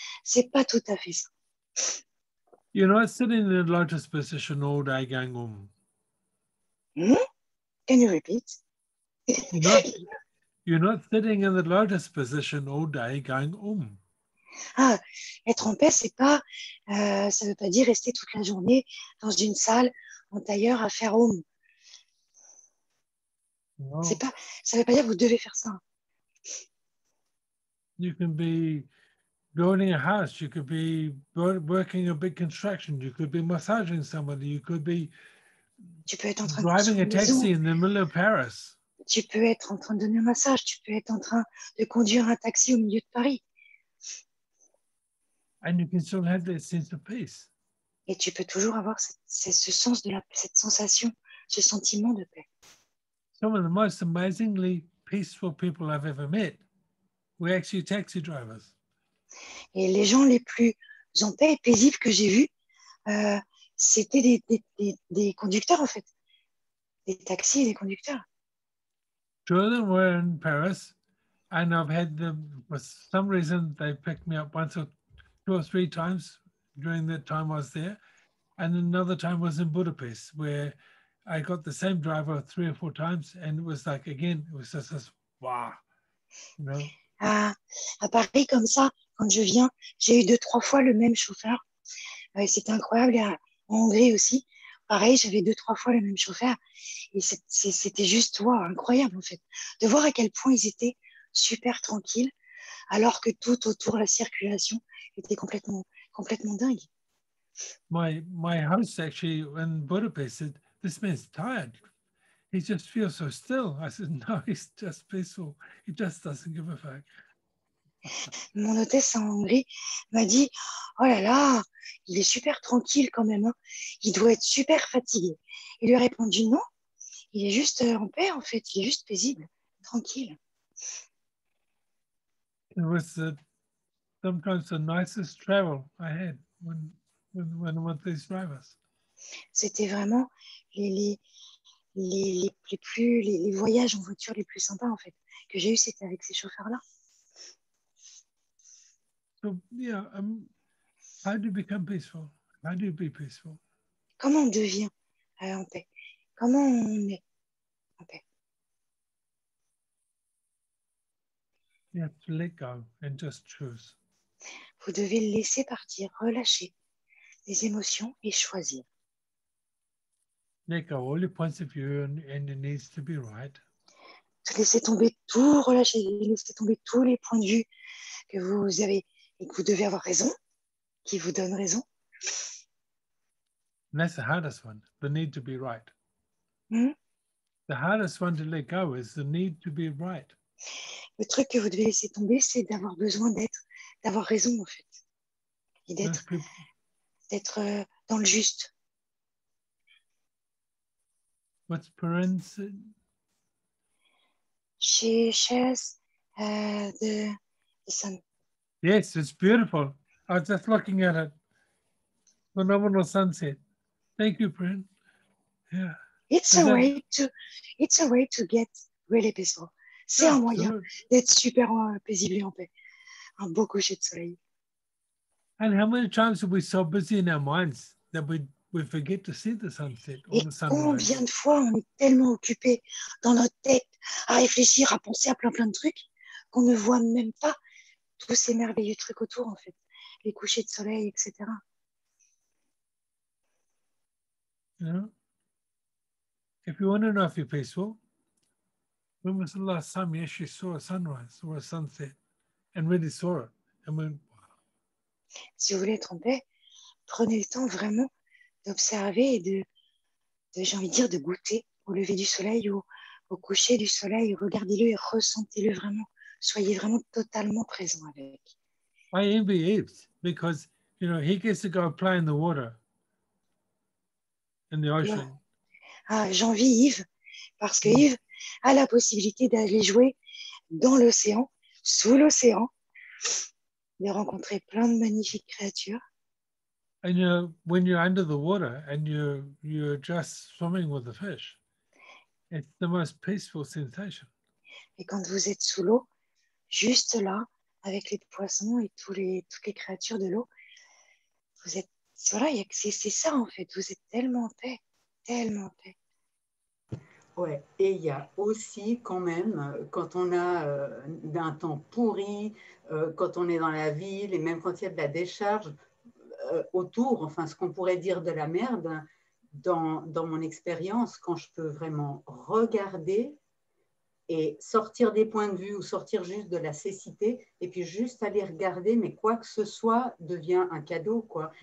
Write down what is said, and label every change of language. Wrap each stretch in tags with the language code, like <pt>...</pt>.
<fr>C'est pas tout à fait ça.</fr> <en>You know, I sit in the lotus position all day going om. Can you repeat? You're not sitting in the lotus position all day going om.</en> <fr>Ah, être en paix, c'est pas, ça veut pas dire rester toute la journée dans une salle en tailleur à faire om.</fr> <en>No.</en> <fr>C'est pas, ça veut pas dire que vous devez faire ça.</fr> <en>You can be building a house, you could be working a big construction, you could be massaging somebody, you could be</en> <fr>tu peux être en train</fr> <en>driving</en> <fr>de</fr> <en>a taxi in the middle of Paris.</en> <fr>Tu peux être en train de donner un massage, tu peux être en train de conduire un taxi au milieu de Paris.</fr> <en>And you can still have that sense of peace.</en> <fr>Et tu peux toujours avoir ce sens de cette sensation, ce sentiment de paix.</fr> <en>Some of the most amazingly peaceful people I've ever met were actually taxi drivers.</en> <fr>Et les gens les plus en paix et paisibles que j'ai vus, c'était des conducteurs en fait, des taxis et des conducteurs.</fr> <en>Two of them were in Paris, and I've had them for some reason they picked me up once or two or three times during the time I was there, and another time was in Budapest where I got the same driver three or four times, and it was like again, it was just this wow, you know.</en> <fr>À Paris comme ça, quand je viens, j'ai eu deux trois fois le même chauffeur. C'est incroyable. Et en Hongrie aussi, pareil, j'avais deux trois fois le même chauffeur. Et c'était juste wow, incroyable en fait, de voir à quel point ils étaient super tranquilles, alors que tout autour la circulation était complètement dingue.</fr> <en>My host actually in Budapest said this man's tired. He just feels so still. I said, no, he's just peaceful. He just doesn't give a fuck.</en> <fr>Mon hôtesse en Hongrie m'a dit, oh là là, il est super tranquille quand même. Hein. Il doit être super fatigué. Il lui a répondu, non, il est juste en paix, en fait. Il est juste paisible, tranquille.</fr> <en>It was sometimes the nicest travel I had when I went these drivers.</en> <fr>C'était vraiment les voyages en voiture les plus sympas en fait que j'ai eu, c'était avec ces chauffeurs là.</fr> <en>So yeah, how do you become peaceful? How do you be peaceful?</en> <fr>Comment on devient en paix? Comment on est en paix?</fr> <en>You have to let go and just choose.</en> <fr>Vous devez laisser partir, relâcher les émotions et choisir.</fr> <en>Let go all your points of view and it needs to be right.</en> <fr>Laissez tomber tout, relâchez, laissez tomber tous les points de vue que vous avez et que vous devez avoir raison, qui vous donne raison.</fr> <en>And that's the hardest one, the need to be right. Mm-hmm. The hardest one to let go is the need to be right.</en> <fr>Le truc que vous devez laisser tomber, c'est d'avoir besoin d'avoir raison en fait, et d'être dans le juste.</fr> <en>What's parents? She shares the sun. Yes, it's beautiful. I was just looking at it. Phenomenal sunset. Thank you, Prince. Yeah. It's a way to get really peaceful.</en> <fr>C'est un moyen d'être super paisible et en paix. Un beau coucher de soleil.</fr> <en>And how many times are we so busy in our minds that we forget to see the sunset or the sunrise?</en> <fr>Combien de fois on est tellement occupé dans notre tête à réfléchir, à penser à plein de trucs qu'on ne voit même pas tous ces merveilleux trucs autour en fait, les couchers de soleil, etc.</fr> <en>Yeah. If you want to know if you're peaceful, when was the last time you actually saw a sunrise or a sunset and really saw it and went, wow.</en> <fr>Si vous voulez être en paix, prenez le temps vraiment d'observer et de, j'ai envie de dire, de goûter au lever du soleil ou au coucher du soleil. Regardez-le et ressentez-le vraiment Soyez vraiment totalement présent avec.</fr> <en>I envy Ibs because, you know, he gets to go play in the water, in the ocean.</en> <fr>Ah, j'envie Yves parce que Yves a la possibilité d'aller jouer dans l'océan, sous l'océan, de rencontrer plein de magnifiques créatures.</fr> <en>And you know, when you're under the water and you're just swimming with the fish, it's the most peaceful sensation.</en> <fr>Et quand vous êtes sous l'eau, juste là, avec les poissons et toutes les créatures de l'eau, vous êtes voilà, c'est ça en fait. Vous êtes tellement en paix, tellement en paix. Ouais. Et il y a aussi quand même quand on a d'un temps pourri, quand on est dans la ville et même quand il y a de la décharge autour, enfin ce qu'on pourrait dire de la merde, dans mon expérience, quand je peux vraiment regarder et sortir des points de vue ou sortir juste de la cécité et puis juste aller regarder, mais quoi que ce soit devient un cadeau, quoi.</fr>